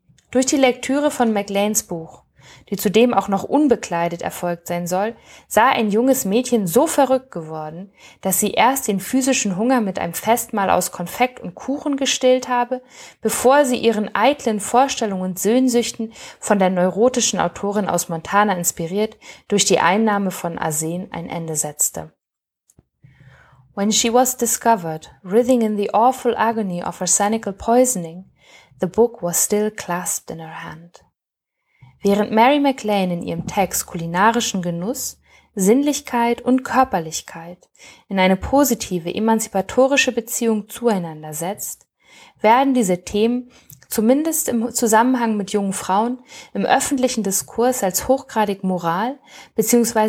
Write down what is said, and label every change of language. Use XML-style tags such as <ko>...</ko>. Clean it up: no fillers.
<de>Durch die Lektüre von McLeans Buch, die zudem auch noch unbekleidet erfolgt sein soll, sei ein junges Mädchen so verrückt geworden, dass sie erst den physischen Hunger mit einem Festmahl aus Konfekt und Kuchen gestillt habe, bevor sie ihren eitlen Vorstellungen und Sehnsüchten von der neurotischen Autorin aus Montana inspiriert durch die Einnahme von Arsen ein Ende setzte.</de> <en>When she was discovered, writhing in the awful agony of arsenical poisoning, the book was still clasped in her hand.</en> <de>Während Mary McLean in ihrem Text kulinarischen Genuss, Sinnlichkeit und Körperlichkeit in eine positive, emanzipatorische Beziehung zueinander setzt, werden diese Themen, zumindest im Zusammenhang mit jungen Frauen, im öffentlichen Diskurs als hochgradig moral bzw.</de>